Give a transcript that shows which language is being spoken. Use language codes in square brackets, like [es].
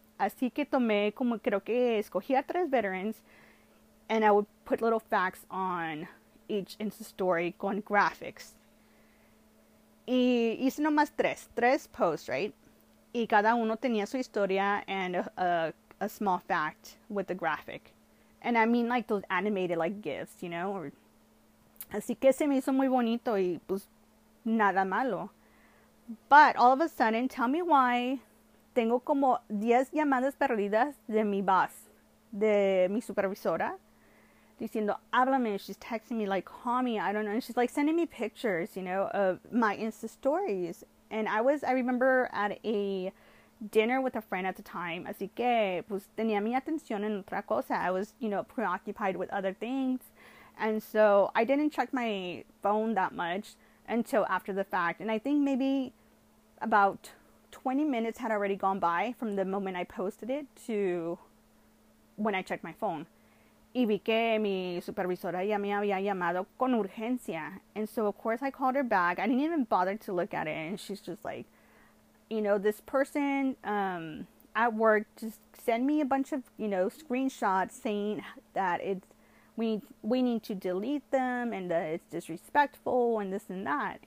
[es] Así que tomé como creo que escogí a tres veterans, [en] and I would put little facts on each Insta story [es] con graphics. Y hice nomás tres posts, right? Y cada uno tenía su historia [en] and a small fact with the graphic. And I mean, like, those animated, like, GIFs, you know? Or... [es] Así que se me hizo muy bonito y, pues, nada malo. [en] But all of a sudden, tell me why, [es] tengo como 10 llamadas perdidas de mi boss, de mi supervisora, diciendo, háblame. [en] She's texting me, like, call me, I don't know. And she's, like, sending me pictures, you know, of my Insta stories. And I remember at a dinner with a friend at the time. [es] Así que, pues, tenía mi atención en otra cosa. [en] I was, you know, preoccupied with other things. And so, I didn't check my phone that much until after the fact. And I think maybe about 20 minutes had already gone by from the moment I posted it to when I checked my phone. [es] Y vi que mi supervisora ya me había llamado con urgencia. [en] And so, of course, I called her back. I didn't even bother to look at it. And she's just like, you know, this person at work just sent me a bunch of, you know, screenshots saying that it's, we need to delete them and that it's disrespectful and this and that.